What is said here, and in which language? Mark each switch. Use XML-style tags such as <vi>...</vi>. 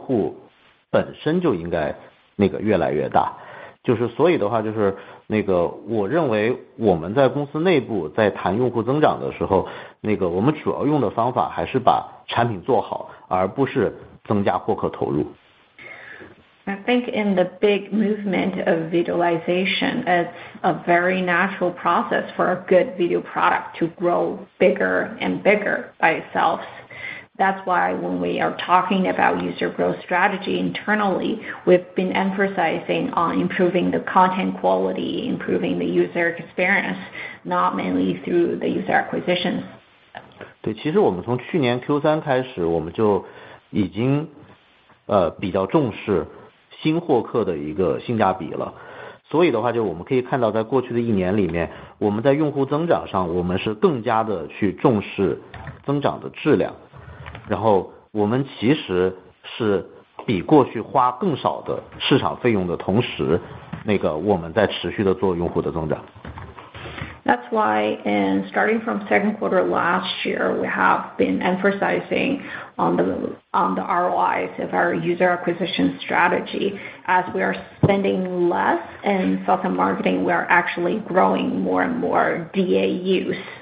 <zh>首先我觉得我们现在仍然处在视频化的浪潮之中，就是作为一个视频产品，就是我认为只要你把它做好了，它在现在这个时间段，它的用户本身就应该 那个越来越大，就是所以的话，就是那个我认为我们在公司内部在谈用户增长的时候，那个我们主要用的方法还是把产品做好，而不是增加获客投入。</zh> <en>I think in the big movement of visualization, it's a very natural process for a good video product to grow bigger and bigger by itself. That's why when we are talking about user growth strategy internally, we've been emphasizing on improving the content quality, improving the user experience, not mainly through the user acquisition.</en> <zh>对，其实我们从去年 Q3 开始，我们就已经比较重视新获客的一个性价比了。所以的话，就我们可以看到，在过去的一年里面，我们在用户增长上，我们是更加的去重视增长的质量。然后我们其实是比过去花更少的市场费用的同时，那个我们在持续的做用户的增长。</zh> <en>That's why in starting from second quarter last year, we have been emphasizing on the ROIs of our user acquisition strategy. As we are spending less in sales and marketing, we are actually growing more and more DAUs.</en>